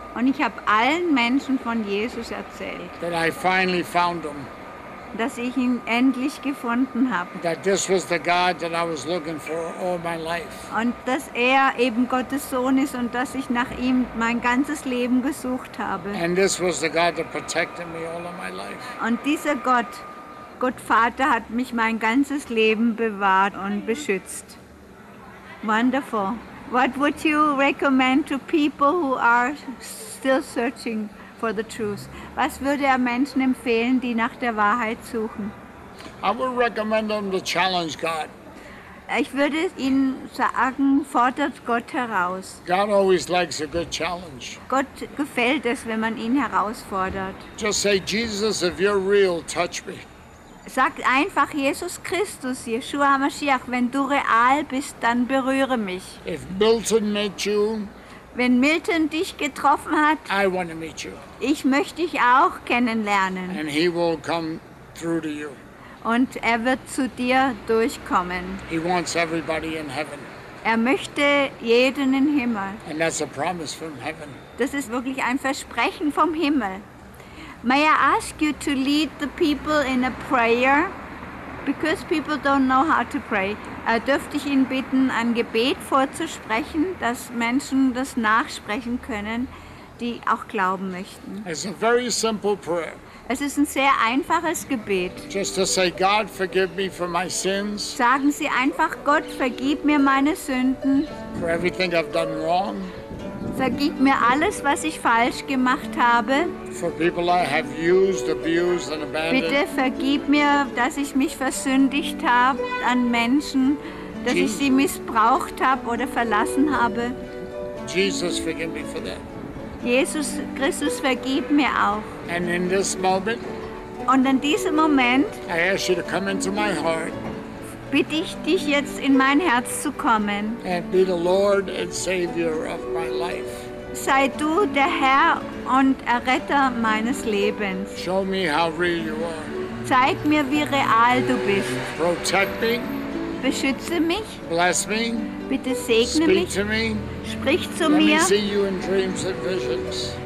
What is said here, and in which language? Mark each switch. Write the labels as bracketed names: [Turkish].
[German] Und ich habe allen Menschen von Jesus erzählt. [English] That I finally found him. [German] Dass ich ihn endlich gefunden habe. [English] That this was the God that I was looking for all my life. [German] Und dass er eben Gottes Sohn ist und dass ich nach ihm mein ganzes Leben gesucht habe. [English] And this was the God that protected me all of my life. [German] Und dieser Gott, Gott Vater, hat mich mein ganzes Leben bewahrt und beschützt. [English] Wonderful. What would you recommend to people who are still searching for the truth? [German] Was würde er Menschen empfehlen, die nach der Wahrheit suchen? [English] I would recommend them to challenge God. [German] Ich würde ihnen sagen, fordert Gott heraus. [English] God always likes a good challenge. [German] Gott gefällt es, wenn man ihn herausfordert. [English] Just say, Jesus, if you're real, touch me. [German] Sag einfach, Jesus Christus, Yeshua Mashiach, wenn du real bist, dann berühre mich. [English] If Milton met you, [German] wenn Milton dich getroffen hat, [English] I want to meet you. [German] Ich möchte dich auch kennenlernen. [English] And he will come through to you. [German] Und er wird zu dir durchkommen. [English] He wants everybody in heaven. [German] Er möchte jeden im Himmel. [English] And that's a promise from heaven. [German] Das ist wirklich ein Versprechen vom Himmel. [English] May I ask you to lead the people in a prayer? Because people don't know how to pray. [German] Dürfte ich ihn bitten, ein Gebet vorzusprechen, dass Menschen das nachsprechen können, die auch glauben möchten. [English] It's a very simple prayer. [German] Es ist ein sehr einfaches Gebet. [English] Just to say, God, forgive me for my sins. [German] Sagen Sie einfach, Gott, vergib mir meine Sünden. [English] For everything I've done wrong. [German] Vergib mir alles, was ich falsch gemacht habe. [English] For people I have used, abused and abandoned. [German] Bitte vergib mir, dass ich mich versündigt habe an Menschen, dass ich sie missbraucht habe oder verlassen habe. [English] Jesus, forgive me for that. [German] Jesus Christus, vergib mir auch. [English] And in this moment, [German] und in diesem Moment, [English] I ask you to come into my heart, [German] bitte ich dich jetzt in mein Herz zu kommen. [English] And be the Lord and Savior of my life. [German] Sei du der Herr und Erretter meines Lebens. [English] Show me how real you are. [German] Zeig mir, wie real du bist. [English] Protect me. [German] Beschütze mich. [English] Bless me. [German] Bitte segne [English] Speak [German] mich. [English] To me. [German] Sprich zu [English] Let [German] mir. [English] Me see you in dreams and visions.